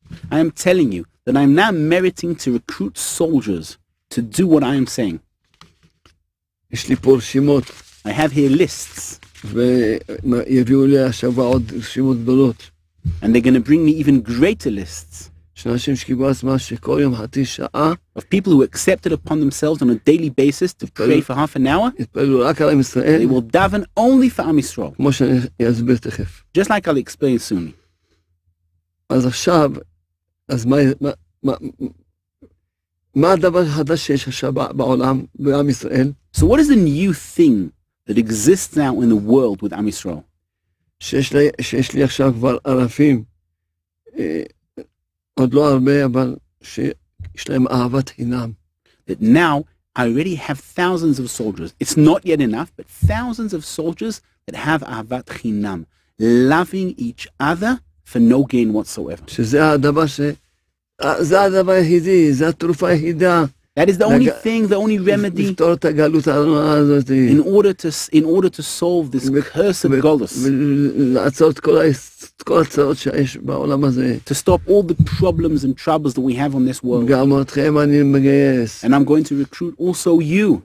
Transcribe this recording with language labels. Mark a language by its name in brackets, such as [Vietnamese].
[English] I am telling you that I am now meriting to recruit soldiers to do what I am saying. [Hebrew] יש לי פה רשימות. [English] I have here lists. [Hebrew] ויביאו לי השבוע עוד רשימות גדולות. [English] And they're going to bring me even greater lists. Of people who accepted upon themselves on a daily basis to pray for half an hour, they will daven only for Am Yisrael. Just like I'll explain soon. So what is the new thing that exists now in the world with Am Yisrael? [Hebrew] שיש לי עכשיו כבר אלפים. עוד לא הרבה, אבל שיש להם אהבת חינם. [English] That now I already have thousands of soldiers. It's not yet enough, but thousands of soldiers that have אהבת חינם, loving each other for no gain whatsoever. [Hebrew] שזה הדבר ש... זה הדבר היחידי, זה התרופה היחידה. [English] That is the only thing, the only remedy in order to solve this curse of Golus. To stop all the problems and troubles that we have on this world. And I'm going to recruit also you.